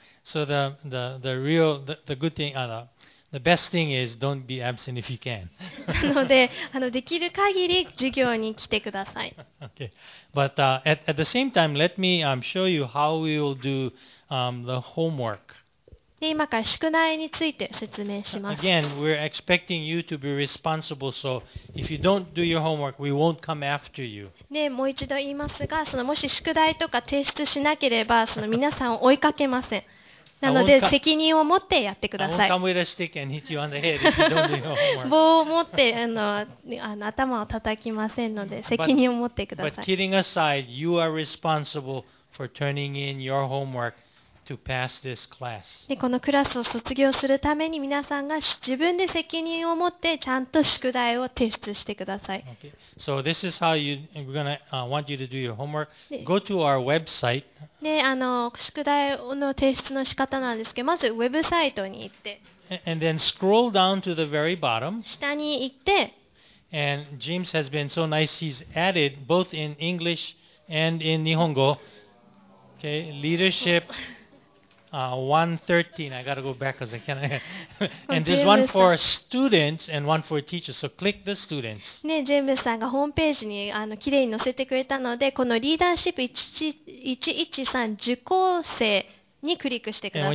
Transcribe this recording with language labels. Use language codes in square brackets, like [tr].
[en] So the real the good thing the best thing is don't be absent if you can. [ja] なのでできる限り授業に来てください。 [en] Okay. But at the same time, let me show you how we will do the homework. [ja] で今から宿題について説明します。 [en] Again, we're expecting you to be responsible, so if you don't do your homework, we won't come after you. [ja] でもう一度言いますが、そのもし宿題とか提出しなければ、その皆さんを追いかけません。なので責任を持ってやってください。 [en] I won't come with a stick and hit you on the head if you don't do your homework. [ja] 棒を持って頭を叩きませんので責任を持ってください。 [en] But kidding aside, you are responsible for turning in your homework. To pass this class. [ja] でこのクラスを卒業するために皆さんが自分で責任を持ってちゃんと宿題を提出してください。 [en] Okay. So this is how we're gonna want you to do your homework. Go to our website. [ja] で宿題の提出の仕方なんですけど、まずウェブサイトに行って。 [en] And then scroll down to the very bottom. [ja] 下に行って。 [en] And James has been so nice. He's added both in English and in 日本語. Okay, leadership. 113. I gotta go back because I can't. And there's one for students and one for teachers. So click the students. [ja] ね、ジェームスさんがホームページに綺麗に載せてくれたので、このリーダーシップ113受講生にクリックしてください。